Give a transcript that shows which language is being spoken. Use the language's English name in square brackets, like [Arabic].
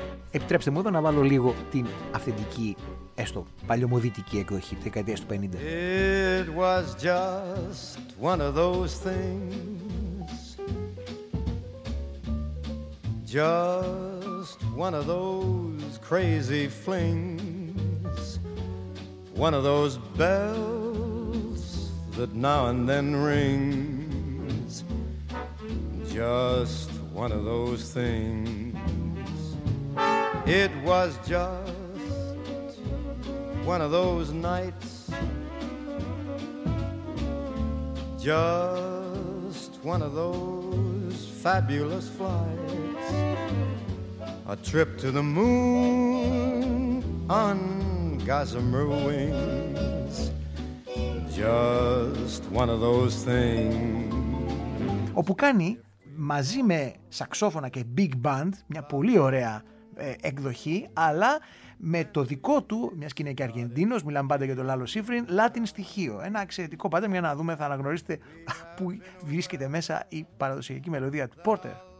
[Greek] Επιτρέψτε μου εδώ να βάλω λίγο την αυθεντική, έστω παλιωμοδυτική εκδοχή, δεκαετίας του 50. [English] It was just one of those things. Just one of those crazy flings. One of those bells that now and then rings. Just one of those things. It was just one of those nights, just one of those fabulous flights, a trip to the moon on gossamer wings, just one of those things. [Greek] Όπου κάνει μαζί με σαξόφωνα και big band μια πολύ ωραία εκδοχή, αλλά με το δικό του, μια και είναι και Αργεντίνος, μιλάμε πάντα για τον Λάλο Σίφριν, Latin στοιχείο. Ένα εξαιρετικό πατέρμα για να δούμε, θα αναγνωρίσετε πού βρίσκεται μέσα η παραδοσιακή μελωδία του Porter.